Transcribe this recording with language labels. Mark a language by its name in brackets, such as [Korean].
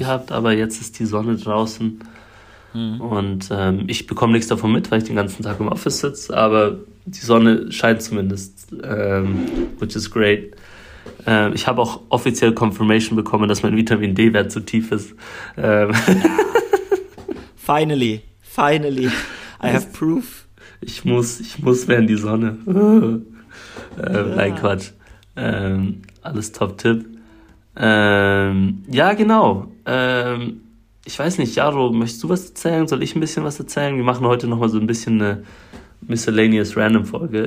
[German] gehabt, aber jetzt ist die Sonne draußen. Und ich bekomme nichts davon mit, weil ich den ganzen Tag im Office sitze, aber die Sonne scheint zumindest, [English] which is great. [German] Ich habe auch offiziell Confirmation bekommen, dass mein Vitamin D-Wert zu tief ist. [English] Finally, finally, I have proof. [German] Ich muss mehr in die Sonne. Nein, Ja. Quatsch. Alles top-tipp. Ja, genau. Ich weiß nicht, Jaro, möchtest du was erzählen? Soll ich ein bisschen was erzählen? Wir machen heute nochmal so ein bisschen eine Miscellaneous Random-Folge.